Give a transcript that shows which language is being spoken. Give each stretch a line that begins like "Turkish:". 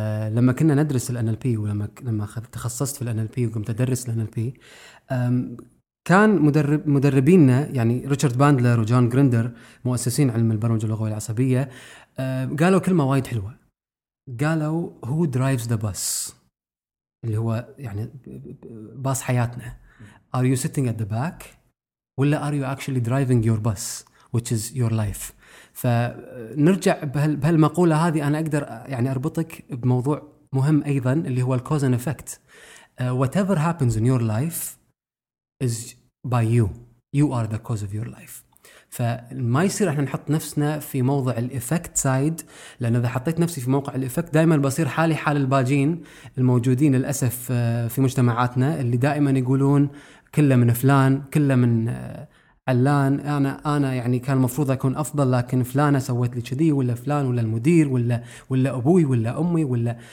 Arabic: لما كنا ندرس الـ NLP ولما تخصصت في الـ NLP وقمت أدرس الـ NLP، كان مدربينا يعني ريتشارد باندلر وجون جريندر مؤسسين علم البرمجة اللغوية العصبية قالوا كلمة وايد حلوة، قالوا
English: Who drives the bus؟
Arabic: اللي هو يعني باص حياتنا.
English: Are you sitting at the back ولا are you actually driving your bus which is your life؟
Arabic: فنرجع بهالمقولة هذه، أنا أقدر يعني أربطك بموضوع مهم أيضا اللي هو
English: cause and effect. Whatever happens in your life is by you. You are the cause of your life.
Arabic: فما يصير احنا نحط نفسنا في موضع الإفكت سايد، لأن إذا حطيت نفسي في موقع الإفكت دائما بصير حالي حال الباجين الموجودين للأسف في مجتمعاتنا، اللي دائما يقولون كله من فلان، كله من علان، انا يعني كان المفروض اكون افضل لكن فلانه سوت لي كذي، ولا فلان، ولا المدير، ولا ابوي، ولا امي، ولا.